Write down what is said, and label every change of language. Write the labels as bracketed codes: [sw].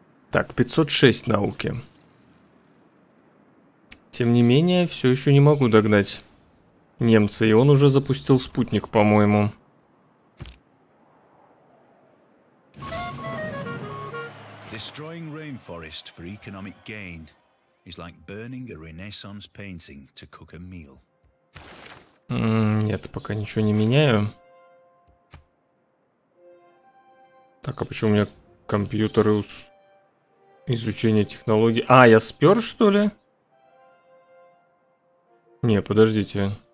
[ru] Так, 506 науки. Тем не менее, все еще не могу догнать немца, и он уже запустил спутник, по-моему. [en] Destroying rainforest for economic gain is like burning a Renaissance painting to cook a meal. [ru] Нет, пока ничего не меняю. Так, а почему у меня компьютеры изучение технологий? А, я спер, что ли? Не, подождите.